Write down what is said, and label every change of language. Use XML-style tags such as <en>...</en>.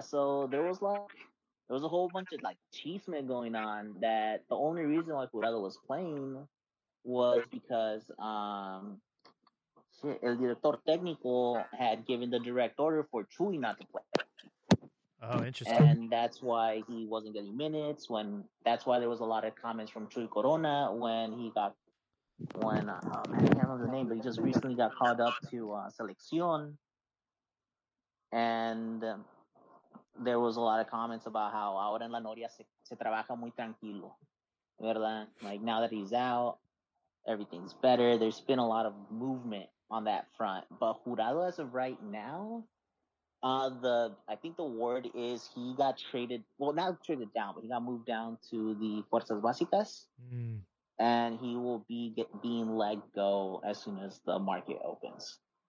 <en>So there was a whole bunch of, like, chismes going on that the only reason why Jurado was playing was because El Director Técnico had given the direct order for Chuy not to play. Oh, interesting. And that's why he wasn't getting minutes. That's why there was a lot of comments from Chuy Corona when I can't remember the name, but he just recently got called up to Selección. And there was a lot of comments about how</en> <es>ahora en la Noria se trabaja muy tranquilo, ¿verdad?</es> <en>Like, now that he's out, everything's better. There's been a lot of movement on that front. But Jurado, as of right now, I think the word is he got traded, well, not traded down, but he got moved down to the Fuerzas Básicas, and he will be being let go as soon as the market opens.</en>